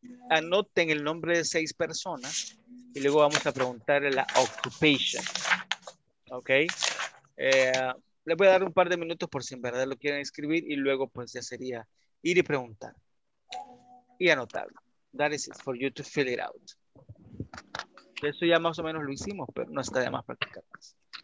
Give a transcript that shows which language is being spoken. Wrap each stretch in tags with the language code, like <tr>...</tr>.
<es>Anoten el nombre de 6 personas y luego vamos a preguntarle la occupation. Ok. Les voy a dar un par de minutos por si en verdad lo quieren escribir y luego pues ya sería ir y preguntar y anotarlo.</es> <en>That is it for you to fill it out.</en> <es>Eso ya más o menos lo hicimos, pero no está de más practicar más.</es>